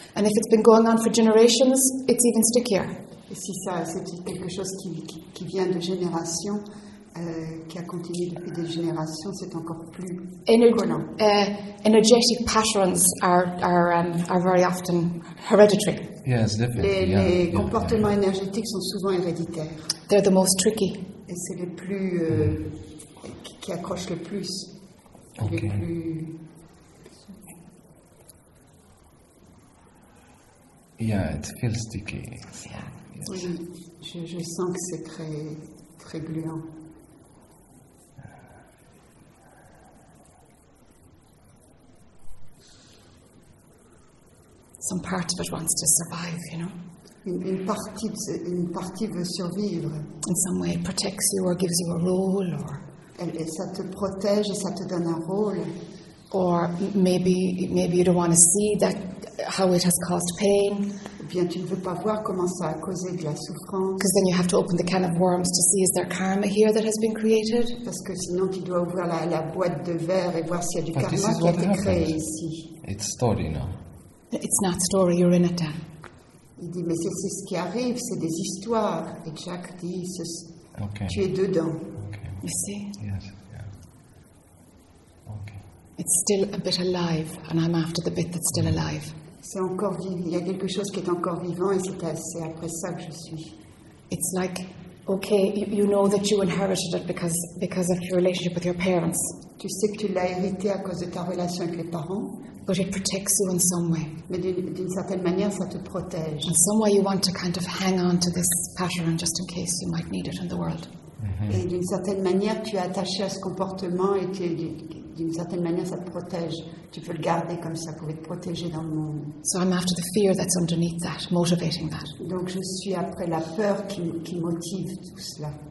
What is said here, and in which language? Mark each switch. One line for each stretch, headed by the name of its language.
English: And if it's been going on for generations, it's even stickier.
French: Et si ça, c'est quelque chose qui vient de génération, qui a continué depuis des générations, c'est encore plus collant.
English: Energetic patterns are very often hereditary. Yes, definitely.
French: Les comportements énergétiques sont souvent héréditaires.
English: They're the most tricky.
French: Et c'est les plus qui accroche le plus.
English: Okay.
French: Les plus...
English: Yeah, it feels sticky. Yeah. Yes.
French: Oui, je sens que c'est très très gluant.
English: Some part of it wants to survive, you know.
French: Une partie veut survivre.
English: In some way, it protects you or gives you a role, or.
French: Et ça te protège et ça te donne un rôle.
English: Or maybe you don't want to see that how it has caused pain.
French: Ou bien tu ne veux pas voir comment ça a causé de la souffrance.
English: Because then you have to open the can of worms to see is there karma here that has been created.
French: Parce que sinon tu dois ouvrir la boîte de verre et voir s'il y a du karma qui a été créé ici.
English: It's story now. It's not story, you're in it, Dan.
French: Il dit, mais c'est ce qui arrive, c'est des histoires. Et Jack dit,
English: okay.
French: Tu es dedans.
English: Okay. You see? Yes. Yeah. Okay. It's still a bit alive, and I'm after the bit that's still alive.
French: C'est encore vivant, il y a quelque chose qui est encore vivant, et c'est après ça que je suis.
English: It's like, okay, you know that you inherited it because of your relationship with your parents.
French: Tu sais que tu l'as hérité à cause de ta relation avec les parents.
English: But it protects you in some way.
French: Mais d'une certaine manière, ça te protège.
English: In some way, you want to kind of hang on to this pattern just in case you might need it in the world. Mm-hmm.
French: Et d'une certaine manière, tu es attaché à ce comportement et d'une certaine manière, ça te protège. Tu peux le garder comme ça pour être protégé dans le monde.
English: So I'm after the fear that's underneath that, motivating that.
French: Donc je suis après la peur qui motive tout cela.